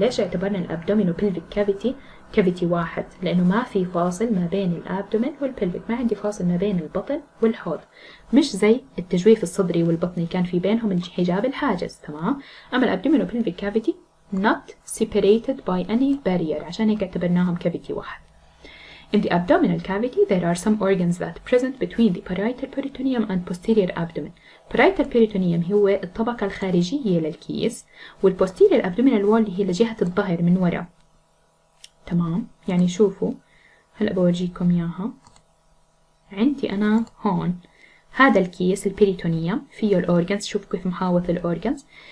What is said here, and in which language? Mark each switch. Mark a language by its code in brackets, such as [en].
[ar] ليش اعتبرنا الابدومين والبلفيك كافيتي كافيتي واحد؟ لانه ما في فاصل ما بين الابدومين والبلفيك، ما عندي فاصل ما بين البطن والحوض، مش زي التجويف الصدري والبطني كان في بينهم الحجاب الحاجز، تمام. اما الابدومين والبلفيك كافيتي not separated by any barrier، عشان هيك اعتبرناهم كافيتي واحد. [en] In the abdominal cavity there are some organs that present between the parietal peritoneum and posterior abdomen. [ar] Parietal peritoneum هو الطبقة الخارجية للكيس، والposterior abdominal wall هي لجهة الظهر من وراء، تمام. يعني شوفوا هلأ بورجيكم ياها، عندي أنا هون هذا الكيس البيريتونيوم فيه الأورغنز، شوف كيف محاوط الأورغنز.